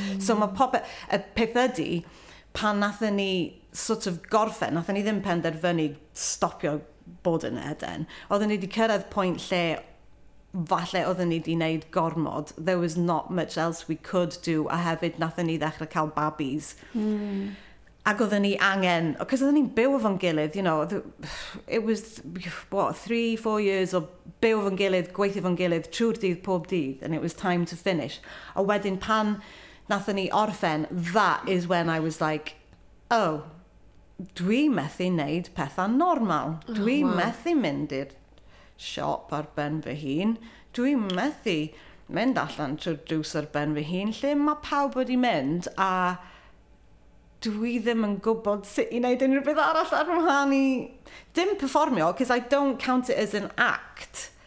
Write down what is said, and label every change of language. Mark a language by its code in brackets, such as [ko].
[cy] So mae popeth... Y peth ydy, pan nathen ni [en] sort of [cy] gorffen, nathen ni ddim penderfynu stopio bod yn Eden, oedden ni wedi cyrraedd pwynt lle falle oedden ni wedi wneud gormod. [en] There was not much else we could do, [cy] a hefyd nathen ni ddechrau cael babies. Ac oedden ni angen... Cos oedden ni'n byw efo'n gilydd, [en] you know, it was, what, 3-4 years [cy] o byw efo'n gilydd, gweithio efo'n gilydd, trwy'r dydd pob dydd, [en] and it was time to finish. [cy] A wedyn pan nathen ni orffen, [en] that is when I was like, oh, [cy] dwi methu wneud pethau normal. Dwi methu mynd i'r siop ar ben fy hun. Dwi methu mynd allan trwy'r drws ar ben fy hun, lle mae pawb wedi mynd, a... Dwi ddim yn gwybod sut i wneud unrhyw beth arall ar ymhlaen i... Dim performio, [en] cos I don't count it as an act.